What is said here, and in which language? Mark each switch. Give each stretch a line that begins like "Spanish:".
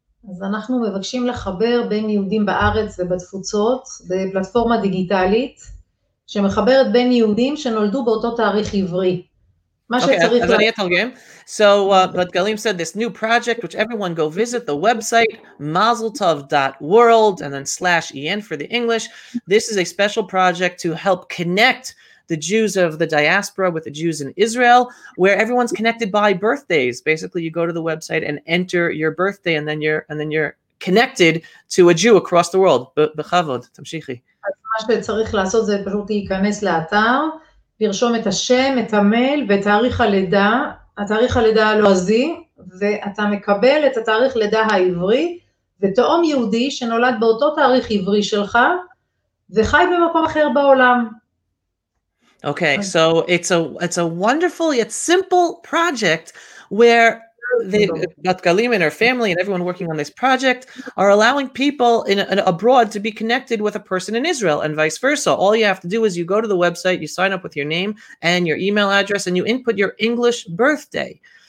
Hebrew: אז אנחנו מבקשים לחבר בין יהודים בארץ ובתפוצות בפלטפורמה דיגיטלית שמחברת בין יהודים שנולדו באותו תאריך עברי.
English: Okay, so but Galim said this new project, which everyone go visit the website, mazeltov.world and then /en for the English. This is a special project to help connect the Jews of the diaspora with the Jews in Israel, where everyone's connected by birthdays. Basically, you go to the website and enter your birthday, and then you're connected to a Jew across the world.
Hebrew: בכבוד, תמשיכי. מה שצריך לעשות זה פשוט להיכנס לאתר, לרשום את השם, את המייל ותאריך הלידה, התאריך הלידה הלועזי, ואתה מקבל את התאריך לידה העברי, ותאום יהודי שנולד באותו תאריך עברי שלך, וחי במקום אחר בעולם.
English: Okay, so it's a wonderful, it's a simple project where Galim and her family and everyone working on this project are allowing people in abroad to be connected with a person in Israel and vice versa. All you have to do is you go to the website, you sign up with your name and your email address, and you input your English birthday.